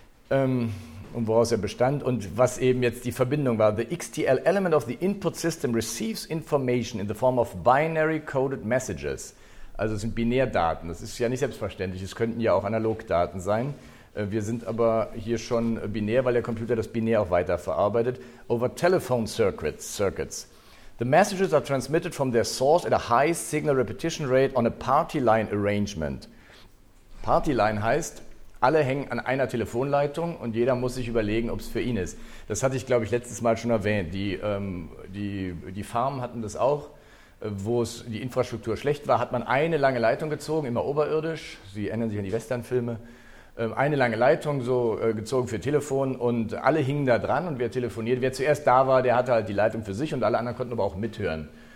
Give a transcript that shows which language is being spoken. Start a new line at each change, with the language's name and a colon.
German: Und woraus er bestand und was eben jetzt die Verbindung war.
English: The XTL element of the input system receives information in the form of binary coded messages.
German: Also es sind Binärdaten. Das ist ja nicht selbstverständlich. Es könnten ja auch Analogdaten sein. Wir sind aber hier schon binär, weil der Computer das binär auch weiterverarbeitet.
English: Over telephone circuits. The messages are transmitted from their source at a high signal repetition rate on a party line arrangement.
German: Party line heißt, alle hängen an einer Telefonleitung und jeder muss sich überlegen, ob es für ihn ist. Das hatte ich, glaube ich, letztes Mal schon erwähnt. Die Farmen hatten das auch. Wo es die Infrastruktur schlecht war, hat man eine lange Leitung gezogen, immer oberirdisch. Sie erinnern sich an die Westernfilme. Eine lange Leitung so gezogen für Telefon und alle hingen da dran und wer telefoniert, wer zuerst da war, der hatte halt die Leitung für sich und alle anderen konnten aber auch mithören.